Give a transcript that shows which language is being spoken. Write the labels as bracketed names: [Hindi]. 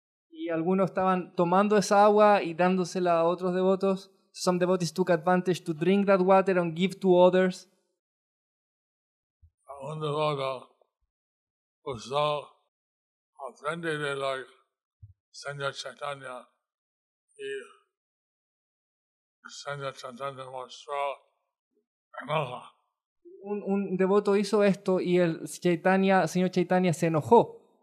[Spanish] Y algunos estaban tomando esa agua y dándosela a otros devotos. [English] Some devotees took advantage to drink that water and give to others. [Spanish] Un devoto usó a frente de la Señor Chaitanya y Señor Chaitanya mostró enoja. Un devoto hizo esto y el señor Chaitanya se enojó.